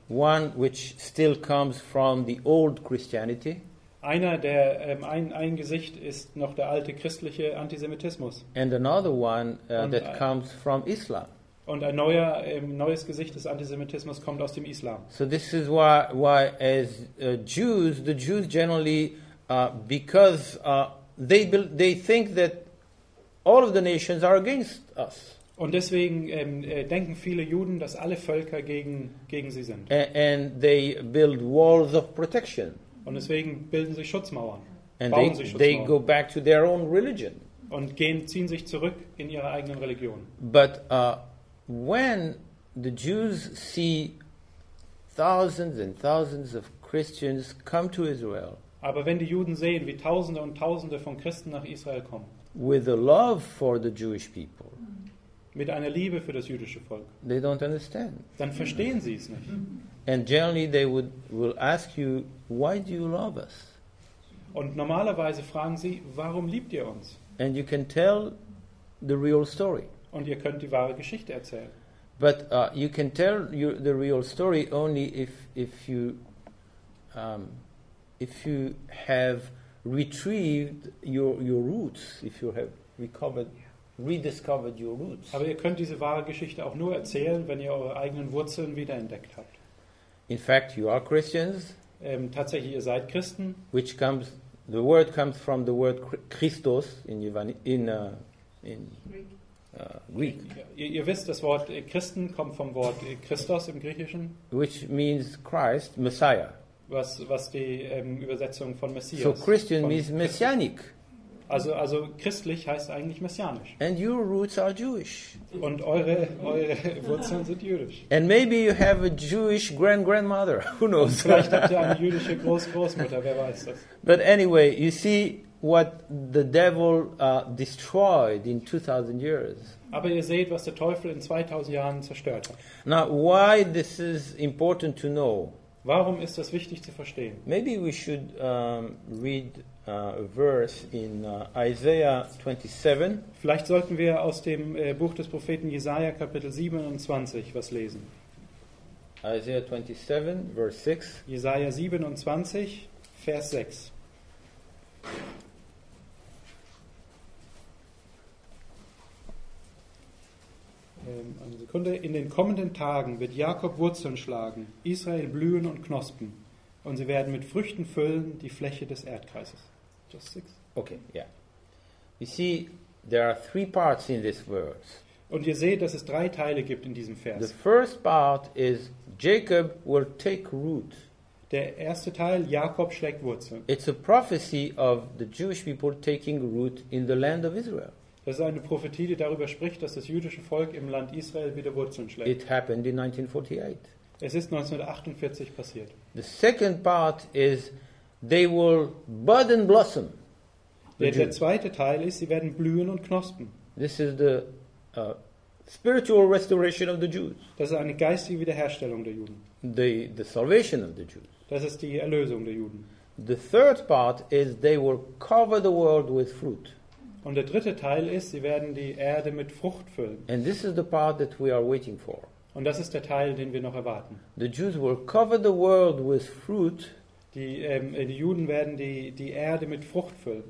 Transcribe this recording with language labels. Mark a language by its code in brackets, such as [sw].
[en] One which still comes from the old Christianity. [de] Ein Gesicht ist noch der alte christliche Antisemitismus. [en] And another one that comes from Islam. [de] Und ein neues Gesicht des Antisemitismus kommt aus dem Islam. [en] So this is why as Jews, the Jews generally because they think that all of the nations are against us. [de] Und deswegen denken viele Juden, dass alle Völker gegen sie sind. [en] And they build walls of protection. [de] Und deswegen bilden sie Schutzmauern. [en] And they go back to their own religion. [de] Und ziehen sich zurück in ihre eigenen Religion. [en] But when the Jews see thousands and thousands of Christians come to Israel. [de] Aber wenn die Juden sehen, wie Tausende und Tausende von Christen nach Israel kommen, [en] with a love for the Jewish people, [de] mit einer Liebe für das jüdische Volk, [en] they don't understand. [de] Dann verstehen sie es nicht. [en] And generally they will ask you, why do you love us? [de] Und normalerweise fragen sie, warum liebt ihr uns? [en] And you can tell the real story. [de] Und ihr könnt die wahre Geschichte erzählen. [en] But you can tell the real story only if you have retrieved your roots, if you have rediscovered your roots. [de] Aber ihr könnt diese wahre Geschichte auch nur erzählen, wenn ihr eure eigenen Wurzeln wiederentdeckt habt. [en] In fact, you are Christians. [de] Tatsächlich, ihr seid Christen. [en] Which comes, the word comes from the word Christos in Greek. [de] Ihr wisst, das Wort Christen kommt vom Wort Christos im Griechischen. [en] Which means Christ, Messiah. [de] Was die Übersetzung von Messias. [en] So Christian means messianic. [de] Also christlich heißt eigentlich messianisch. [en] And your roots are Jewish. [de] Und eure Wurzeln sind jüdisch. [en] And maybe you have a Jewish grandmother. Who knows? [de] Vielleicht habt ihr eine jüdische Großmutter. Wer weiß das? [en] But anyway, you see what the devil destroyed in 2000 years. [de] Aber ihr seht, was der Teufel in 2000 Jahren zerstört hat. [en] Now, why this is important to know? [de] Warum ist das wichtig zu verstehen? [en] Maybe we should read a verse in Isaiah 27. [de] Vielleicht sollten wir aus dem Buch des Propheten Jesaja Kapitel 27 was lesen. [en] Isaiah 27, verse 6. [de] Jesaja 27, Vers 6. Eine Sekunde. In den kommenden Tagen wird Jakob Wurzeln schlagen, Israel blühen und knospen, und sie werden mit Früchten füllen die Fläche des Erdkreises. [en] Just six. Okay, yeah. You see, there are three parts in this verse. [de] Und ihr seht, dass es drei Teile gibt in diesem Vers. [en] The first part is Jacob will take root. [de] Der erste Teil, Jakob schlägt Wurzeln. [en] It's a prophecy of the Jewish people taking root in the land of Israel. [de] Das ist eine Prophetie, die darüber spricht, dass das jüdische Volk im Land Israel wieder Wurzeln schlägt. [en] It happened in 1948. [de] Es ist 1948 passiert. [en] The second part is they will bud and blossom. [de] Der zweite Teil ist, sie werden blühen und knospen. [en] This is the spiritual restoration of the Jews. [de] Das ist eine geistige Wiederherstellung der Juden. [en] The salvation of the Jews. [de] Das ist die Erlösung der Juden. [en] The third part is they will cover the world with fruit. [de] Und der dritte Teil ist, sie werden die Erde mit Frucht füllen. [en] And this is the part that we are waiting for. [de] Und das ist der Teil, den wir noch erwarten. [en] The Jews will cover the world with fruit. [de] Die Juden werden die Erde mit Frucht füllen.